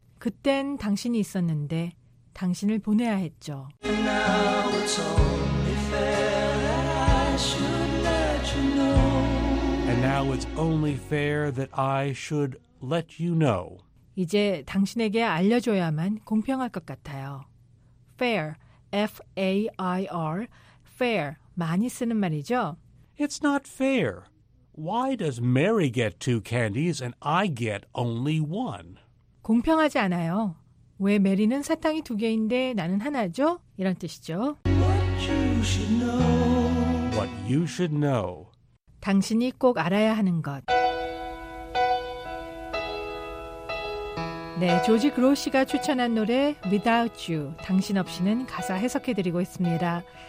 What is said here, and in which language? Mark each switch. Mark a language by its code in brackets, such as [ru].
[ko] 그땐 당신이 있었는데 당신을 보내야 했죠. [en] And now it's only fair that I should let you know. And now it's only fair that I should let you know. [ko] 이제 당신에게 알려줘야만 공평할 것 같아요. Fair, F-A-I-R, fair, 많이 쓰는 말이죠. [en] It's not fair. Why does Mary get two candies and I get only one? [ko] 공평하지 않아요. 왜 메리는 사탕이 두 개인데 나는 하나죠? 이런 뜻이죠. [en] What you should know. What you should know. [ko] 당신이 꼭 알아야 하는 것. 네, 조지 그로시가 추천한 노래 Without You, 당신 없이는 가사 해석해드리고 있습니다.